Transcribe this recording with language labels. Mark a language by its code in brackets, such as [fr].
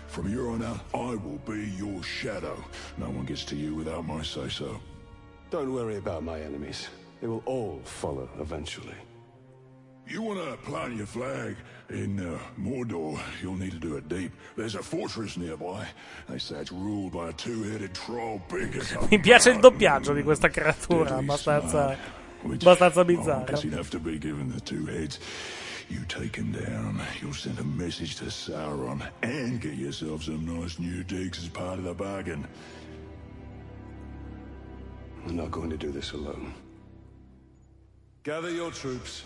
[en] From here on out, I will be your shadow. No one gets to you without my say-so. Don't worry about my enemies. They will all follow eventually. You want to plant your flag in Mordor, you'll need to do it deep. There's a fortress nearby. They say it's ruled by a two-headed troll big as a... [it] Mi piace il doppiaggio di questa creatura, abbastanza bizzarro. [en] Because you'd have to be given the two heads. You take him down, you'll send a message to Sauron and get yourself some nice new digs as part of the bargain. I'm not going to do this alone. Gather your troops.